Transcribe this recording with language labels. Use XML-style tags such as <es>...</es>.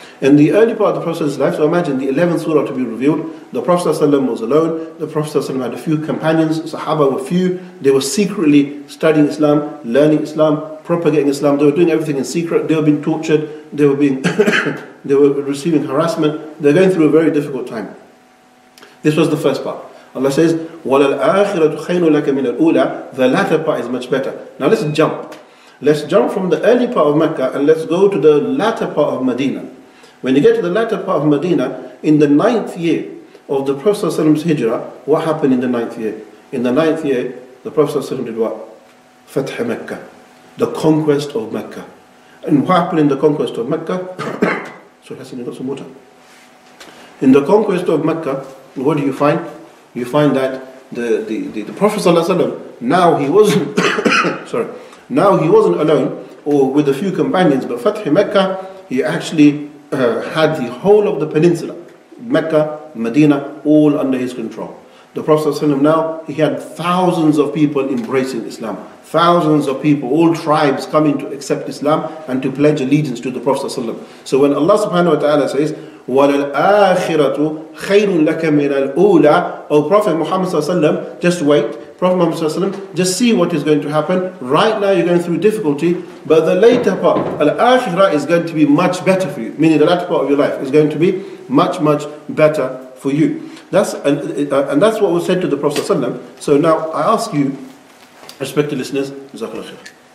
<en>In the early part of the Prophet's life, so imagine the 11th surah to be revealed, the Prophet ﷺ was alone, the Prophet ﷺ had a few companions, Sahaba were few, they were secretly studying Islam, learning Islam, propagating Islam, they were doing everything in secret, they were being tortured, they were receiving harassment, they're going through a very difficult time. This was the first part. Allah says,</en> <ar>وَلَلْآخِرَةُ خَيْنُ لَكَ مِنَ الْأُولَى.</ar> <en>The latter part is much better. Now let's jump. Let's jump from the early part of Mecca and let's go to the latter part of Medina. When you get to the latter part of Medina, in the ninth year of the Prophet's Hijrah, what happened in the ninth year? In the ninth year, the Prophet did what? Fath Mecca. The conquest of Mecca. And what happened in the conquest of Mecca? So Hassan, you got some water. In the conquest of Mecca, what do you find? You find that the Prophet ﷺ, now he wasn't now he wasn't alone or with a few companions, but Fath Mecca, he actually had the whole of the peninsula, Mecca, Medina, all under his control. The Prophet ﷺ, now he had thousands of people embracing Islam, thousands of people, all tribes coming to accept Islam and to pledge allegiance to the Prophet ﷺ. So when Allah subhanahu wa ta'ala says,</en> <ar>وَلَلْآخِرَةُ خَيْرٌ لَكَ مِنَ الْأُولَىٰ</ar> <en>O Prophet Muhammad ﷺ, just wait. Prophet Muhammad ﷺ, just see what is going to happen. Right now you're going through difficulty, but the later part, al-akhirah, is going to be much better for you. Meaning the latter part of your life is going to be much, much better for you. And that's what was said to the Prophet ﷺ. So now I ask you, respected listeners, Jazakallah khair.</en>